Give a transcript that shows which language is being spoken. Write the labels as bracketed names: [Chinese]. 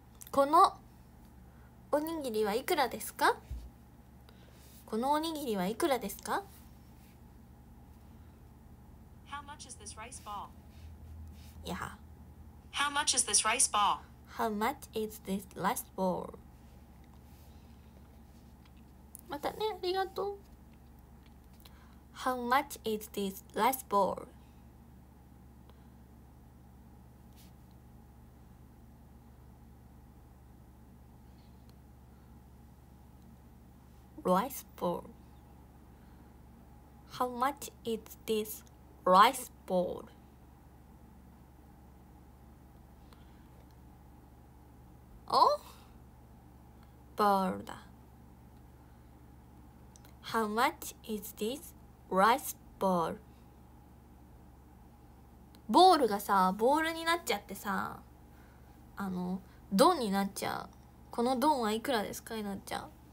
[Japanese] このおにぎりはいくらですか？このおにぎりはいくらですか？ [English] How much is this rice ball? Yeah. How much is this rice ball? How much is this rice ball? [Japanese] またね、ありがとう。 [English] How much is this rice ball? Rice ball. How much is this rice ball? Oh? Ball だ。 How much is this rice ball? [Japanese] ボールがさ、ボールになっちゃってさ、あの、ドンになっちゃう。このドンはいくらですかになっちゃう。